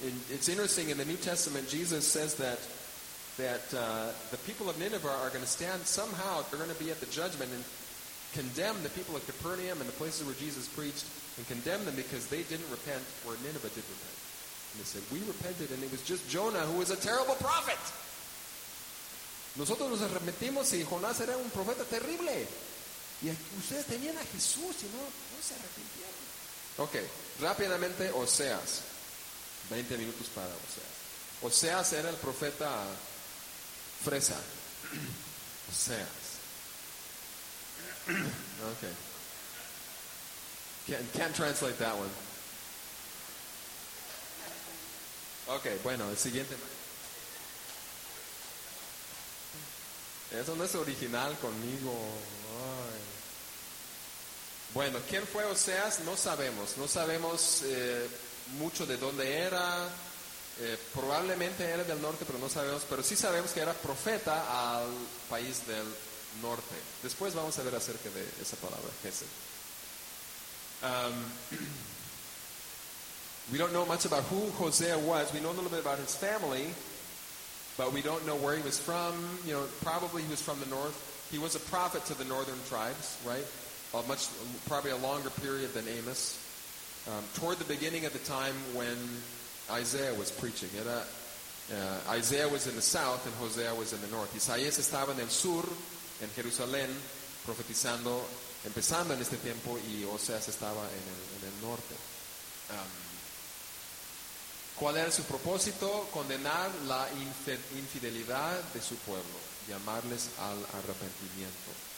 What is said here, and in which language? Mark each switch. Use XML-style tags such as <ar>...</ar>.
<en>It's interesting, in the New Testament Jesus says that the people of Nineveh are going to stand somehow, they're going to be at the judgment and condemn the people of Capernaum and the places where Jesus preached and condemn them because they didn't repent where Nineveh did repent. And they said, we repented and it was just Jonah who was a terrible prophet.</en> <es>Nosotros nos arrepentimos y Jonás era un profeta terrible. Y ustedes tenían a Jesús y no se arrepintieron. Ok, rápidamente Oseas. 20 minutos para Oseas. Oseas era el profeta fresa. Oseas. Okay.</es> <en>Can't translate that one.</en> <es>Okay, bueno, el siguiente. Eso no es original conmigo. Ay. Bueno, ¿quién fue Oseas? No sabemos. No sabemos mucho de dónde era. Probablemente era del norte, pero no sabemos. Pero sí sabemos que era profeta al país del norte. Después vamos a ver acerca de esa palabra, Hesed.</es> <en>We don't know much about who Hosea was. We know a little bit about his family, but we don't know where he was from. You know, probably he was from the north. He was a prophet to the northern tribes, right? Probably a longer period than Amos. Toward the beginning of the time when Isaiah was preaching. Isaiah was in the south and Hosea was in the north.</en> <es>Isaías estaba en el sur, en Jerusalén, profetizando, empezando en este tiempo, y Oseas estaba en el norte. ¿Cuál era su propósito? Condenar la infidelidad de su pueblo, llamarles al arrepentimiento.</es>